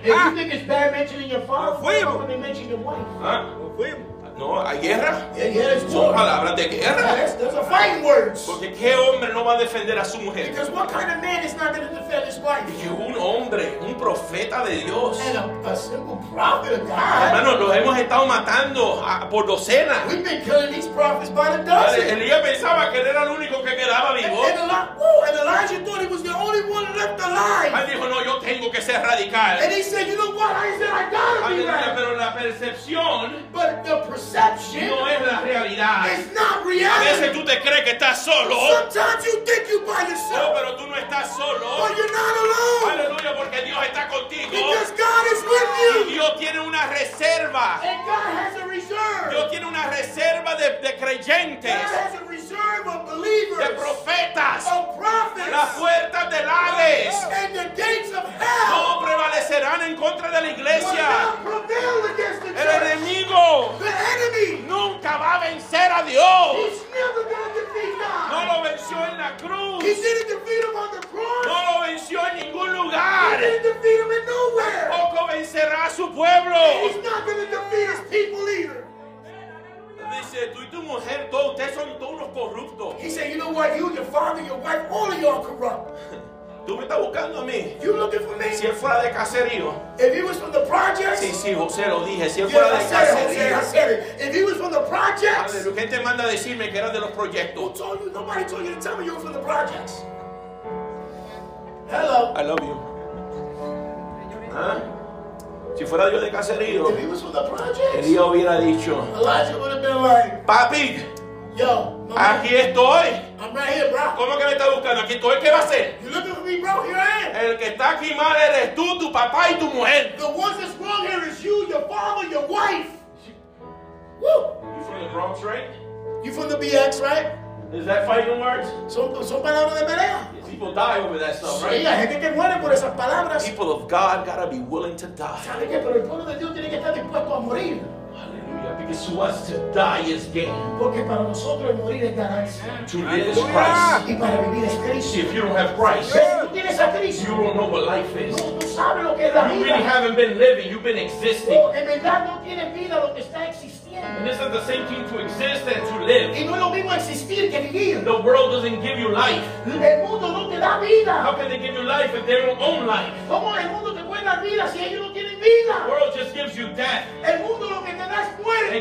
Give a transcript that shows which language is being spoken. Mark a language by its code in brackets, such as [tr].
[en] If you think it's bad mentioning your father, when they mention your wife. [es] No, hay guerra. [en] Yeah, [es] son palabras de guerra. [en] Yes, those are fighting words. [es] Porque qué hombre no va a defender a su mujer. [en] Because what kind of man is not going to defend his wife? [es] Y que un hombre, un profeta de Dios. [en] And a simple prophet of God. [es] Hermano, los hemos estado matando por docenas. [en] We've been killing these prophets by the dozen. [es] Elías pensaba que él era el único que quedaba vivo. [en] And Elijah thought he was the only one left alive. [es] Él dijo, no, yo tengo que ser radical. [en] And he said, you know what? I said, I gotta be radical. [es] Pero la percepción. [en] But the perception, [es] no es la realidad. [en] It's not reality. [es] A veces tú te crees que estás solo. [en] Sometimes you think you're by yourself. [es] No, pero tú no estás solo. [en] But you're not alone. [es] Aleluya, porque Dios está contigo. [en] Because God is with you. [es] Y Dios tiene una reserva. [en] And God has a reserve. [es] Dios tiene una reserva de creyentes. [en] God has a reserve of believers. [es] De profetas. [en] Of prophets. [es] Las puertas del Hades. [en] And the gates of hell. [es] No prevalecerán en contra de la iglesia. [en] Will not prevail against the church. [es] El enemigo. [en] The enemy. [es] Nunca va a vencer a Dios. [en] He's never going to defeat God. [es] No lo venció en la cruz. [en] He didn't defeat him on the cross. [es] No lo venció en ningún lugar. [en] He didn't defeat him in nowhere. [es] Tampoco vencerá a su pueblo. [en] He's not going to defeat his people either. [es] Dice, tú y tu mujer, todos ustedes son todos los corruptos. [en] He said, you know what? You, your father, your wife, all of you are corrupt. [es] Tú me estás buscando a mí. [en] You looking for me? [es] Si él fuera de caserío. [en] If he was from the projects. [es] Sí, sí, José, lo dije. Si él fuera de caserío. [en] Yeah, I said it, José, I said it. If he was from the projects. [es] Aleluya, ¿quién te manda a decirme que eras de los proyectos? [en] Who told you? Nobody told you to tell me you were from the projects. Hello. I love you. [es] Si fuera yo de caserío. [en] If he was from the projects. [es] Él ya hubiera dicho. [en] Elijah would have been like. [es] Papi. Yo. Aquí estoy. [en] I'm right here, bro. [es] ¿Cómo que me estás buscando? Aquí estoy. ¿Qué va a hacer? [en] You looking for me, bro? Here I am. [es] El que está aquí mal eres tú, tu papá y tu mujer. [en] The one that's wrong here is you, your father, your wife. Woo. You from the Bronx, right? You from the BX, right? Is that fighting words? [es] Son palabras de pelea. [en] People die over that stuff, [es] sí, [en] right? [es] Hay gente que muere por esas palabras. [en] People of God gotta be willing to die. [es] ¿Sabe qué? Pero el pueblo de Dios tiene que estar dispuesto a morir. [en] Because to us to die is gain. [es] Porque para nosotros morir es ganancia. [en] To live is Christ. [es] Y para vivir es Cristo. [en] See, if you don't have Christ, [es] tienes a Cristo, [en] you don't know what life is. [es] No, tú sabes lo que es la vida. [en] You really haven't been living. You've been existing. [es] No, en verdad no tienes vida lo que está existiendo. [en] And this is the same thing to exist and to live. [es] Y no es lo mismo existir que vivir. [en] The world doesn't give you life. [es] El mundo no te da vida. [en] How can they give you life if they don't own life? [es] ¿Cómo el mundo te puede dar vida si ellos no tienen vida? [en] The world just gives you death. [es] El mundo lo que te da es muerte.